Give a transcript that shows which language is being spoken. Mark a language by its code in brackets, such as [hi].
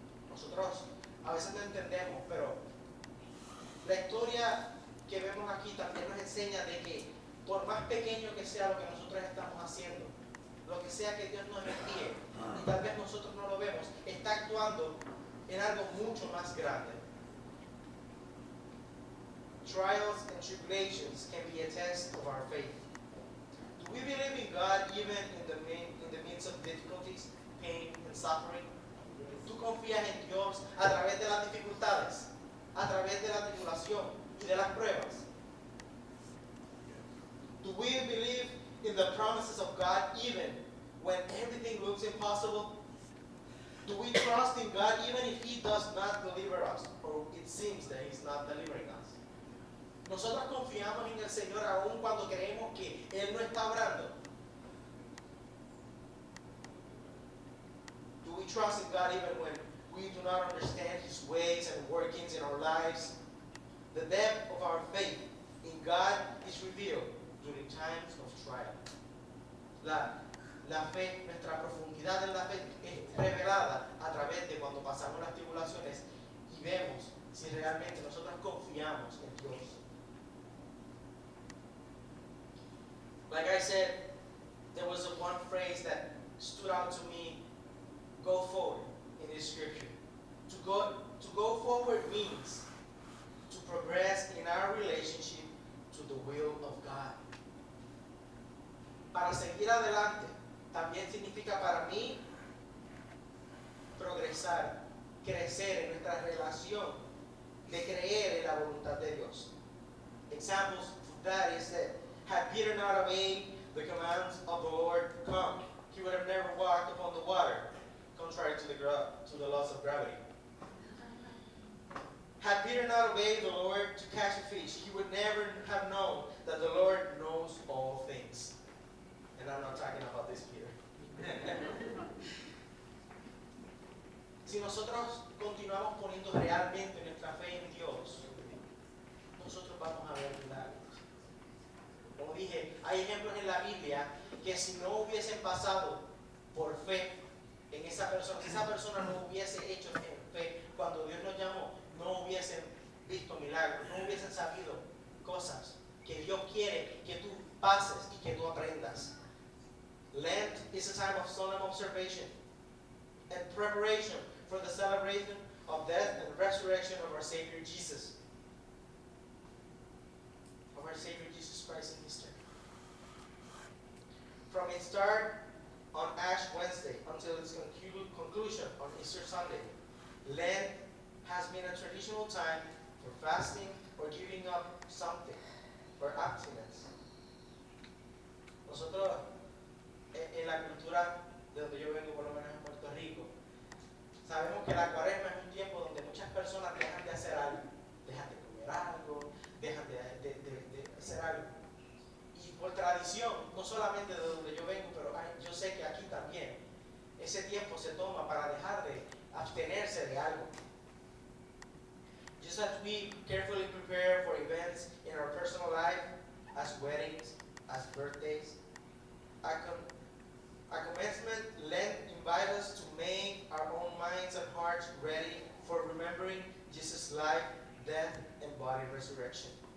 [es] Nosotros a veces no entendemos, pero la historia que vemos aquí también nos enseña de que por más pequeño que sea lo que nosotros estamos haciendo, lo que sea que Dios nos envíe, y tal vez nosotros no lo vemos, está actuando en algo mucho más grande. [en] Trials and tribulations can be a test of our faith. Do we believe in God even in the midst of difficulties, pain, and suffering? [es] ¿Tú confías en Dios a través de las dificultades, a través de la tribulación y de las pruebas? [en] Do we believe in the promises of God even when everything looks impossible? Do we trust in God even if He does not deliver us, or it seems that He's not delivering us? [es] Nosotros confiamos en el Señor aún cuando creemos que Él no está obrando. [en] Do we trust in God even when we do not understand His ways and workings in our lives? The depth of our faith in God is revealed during times of trial. [es] La fe, nuestra profundidad en la fe es revelada a través de cuando pasamos las tribulaciones y vemos si realmente nosotros confiamos en Dios. [en] Like I said, there was a one phrase that stood out to me, go forward, in this scripture. To go forward means to progress in our relationship to the will of God. [es] Para seguir adelante también significa para mí progresar, crecer en nuestra relación de creer en la voluntad de Dios. [en] Examples of that is that had Peter not obeyed the commands of the Lord to come, he would have never walked upon the water, contrary to the laws of gravity. Had Peter not obeyed the Lord to catch a fish, he would never have known that the Lord knows all things. And I'm not talking about this Peter. [es] Si nosotros continuamos poniendo realmente nuestra fe en Dios, nosotros vamos a ver milagros. Como dije, hay ejemplos en la Biblia que si no hubiesen pasado por fe en esa persona, si esa persona no hubiese hecho en fe cuando Dios nos llamó, no hubiesen visto milagros, no hubiesen sabido cosas que Dios quiere que tú pases y que tú aprendas. [en] Lent is a time of solemn observation and preparation for the celebration of death and resurrection of our Savior Jesus. Of our Savior Jesus Christ in history. From its start on Ash Wednesday until its conclusion on Easter Sunday, Lent has been a traditional time for fasting or giving up something, for abstinence. [es] Nosotros, en la cultura de donde yo vengo, por lo menos en Puerto Rico, sabemos que la cuaresma es un tiempo donde muchas personas dejan de hacer algo, dejan de comer algo, dejan de hacer algo. Y por tradición, no solamente de donde yo vengo, pero yo sé que aquí también, ese tiempo se toma para dejar de abstenerse de algo. [en] Just as we carefully prepare for events in our personal life, as weddings, as birthdays, a commencement Lent invites us to make our own minds and hearts ready for remembering Jesus' life, death, and body resurrection.